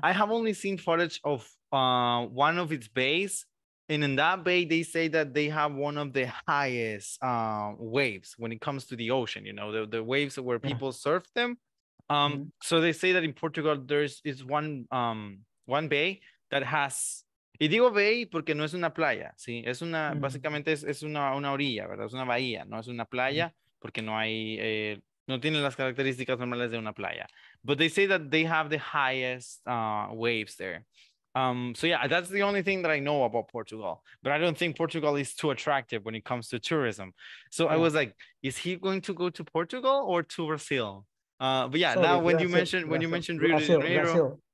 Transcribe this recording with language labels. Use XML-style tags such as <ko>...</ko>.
<en>I have only seen footage of one of its bays. And in that bay, they say that they have one of the highest waves when it comes to the ocean, you know, the waves where people surf them. Mm-hmm. So they say that in Portugal, there's one bay that has...</en> <es>Y digo bay porque no es una playa, ¿sí? Es una, mm-hmm. básicamente es una orilla, ¿verdad? Es una bahía, no es una playa porque no hay, no tiene las características normales de una playa.</es> <en>But they say that they have the highest waves there. So yeah, that's the only thing that I know about Portugal. But I don't think Portugal is too attractive when it comes to tourism. So yeah. I was like, is he going to go to Portugal or to Brazil? But yeah, now when you mentioned, when you mentioned Rio de Janeiro,</en>